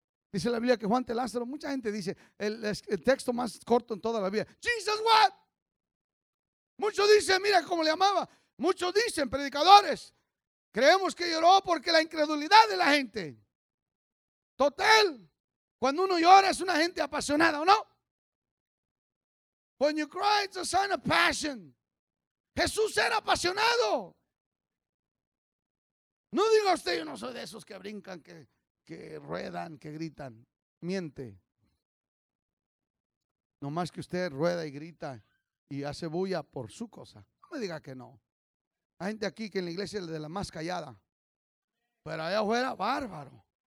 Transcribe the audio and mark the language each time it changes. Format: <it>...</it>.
<es>Dice la Biblia que Juan te Lázaro, mucha gente dice, el texto más corto en toda la Biblia.</es> <en>Jesus, what?</en> <es>Muchos dicen, mira cómo le amaba. Muchos dicen, predicadores, creemos que lloró porque la incredulidad de la gente. Total, cuando uno llora es una gente apasionada, ¿o no?</es> <en>When you cry, it's a sign of passion.</en> <es>Jesús era apasionado. No diga usted, yo no soy de esos que brincan, que ruedan, que gritan. Miente. No más que usted rueda y grita y hace bulla por su cosa. No me diga que no. Hay gente aquí que en la iglesia es de la más callada. Pero allá afuera, bárbaro.</es>